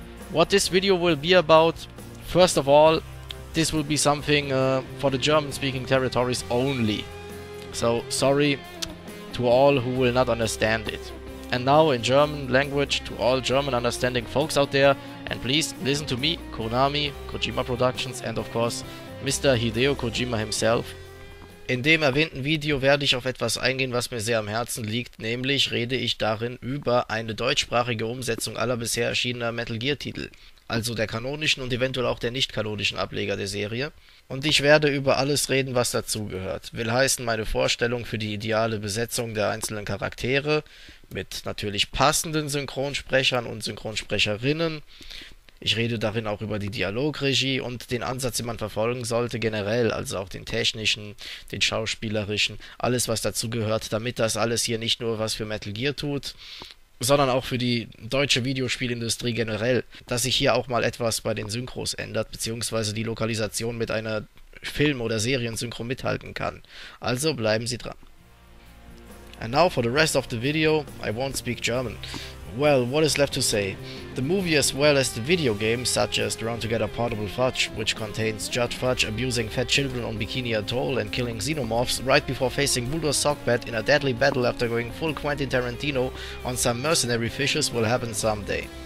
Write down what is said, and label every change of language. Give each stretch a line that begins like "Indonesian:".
English: What this video will be about, first of all, this will be something for the German-speaking territories only. So sorry to all who will not understand it. And now in German language to all German understanding folks out there, and please listen to me, Konami, Kojima Productions and of course Mr. Hideo Kojima himself.
German: In dem erwähnten Video werde ich auf etwas eingehen, was mir sehr am Herzen liegt, nämlich rede ich darin über eine deutschsprachige Umsetzung aller bisher erschienener Metal Gear Titel, also der kanonischen und eventuell auch der nicht kanonischen Ableger der Serie. Und ich werde über alles reden, was dazugehört. Will heißen, meine Vorstellung für die ideale Besetzung der einzelnen Charaktere, mit natürlich passenden Synchronsprechern und Synchronsprecherinnen. Ich rede darin auch über die Dialogregie und den Ansatz, den man verfolgen sollte, generell, also auch den technischen, den schauspielerischen, alles was dazugehört, damit das alles hier nicht nur was für Metal Gear tut, sondern auch für die deutsche Videospielindustrie generell, dass sich hier auch mal etwas bei den Synchros ändert, beziehungsweise die Lokalisation mit einer Film- oder Seriensynchro mithalten kann. Also bleiben Sie dran.
English: And now for the rest of the video, I won't speak German. Well, what is left to say? The movie as well as the video games such as Drawn Together Portable Fudge, which contains Judge Fudge abusing fat children on Bikini Atoll and killing xenomorphs right before facing Bulldog Sockbat in a deadly battle after going full Quentin Tarantino on some mercenary fishes will happen someday.